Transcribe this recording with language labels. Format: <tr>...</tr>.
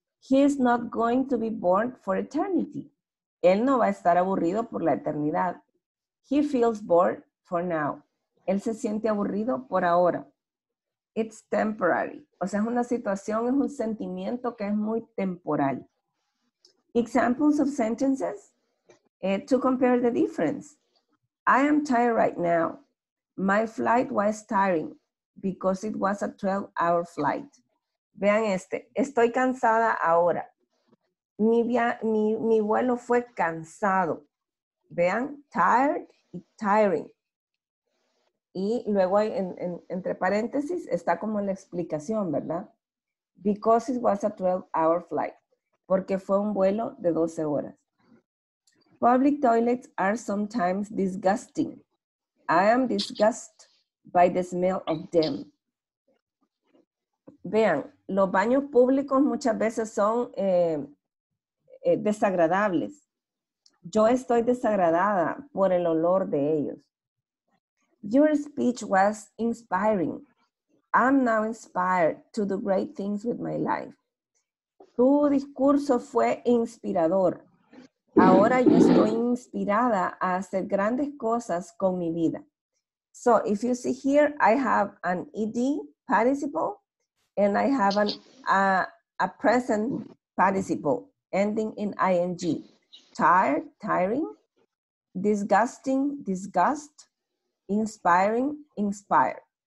<en>He is not going to be bored for eternity.</en> <es>Él no va a estar aburrido por la eternidad.</es> <en>He feels bored for now.</en> <es>Él se siente aburrido por ahora.</es> <en>It's temporary.</en> <es>O sea, es una situación, es un sentimiento que es muy temporal.</es> <en>Examples of sentences to compare the difference. I am tired right now. My flight was tiring because it was a 12-hour flight.</en> <es>Vean este. Estoy cansada ahora. Mi vuelo fue cansado. Vean, tired y tiring. Y luego hay entre paréntesis está como la explicación, ¿verdad?</es> <en>Because it was a 12-hour flight.</en> <es>Porque fue un vuelo de 12 horas.</es> <en>Public toilets are sometimes disgusting. I am disgusted by the smell of them.</en> <es>Vean, los baños públicos muchas veces son desagradables. Yo estoy desagradada por el olor de ellos.</es> <en>Your speech was inspiring. I'm now inspired to do great things with my life.</en> <es>Tu discurso fue inspirador. Ahora yo estoy inspirada a hacer grandes cosas con mi vida.</es> <en>So, if you see here, I have an ed participle and I have a present participle ending in ing. Tired, tiring, disgusting, disgust, inspiring, inspire.</en>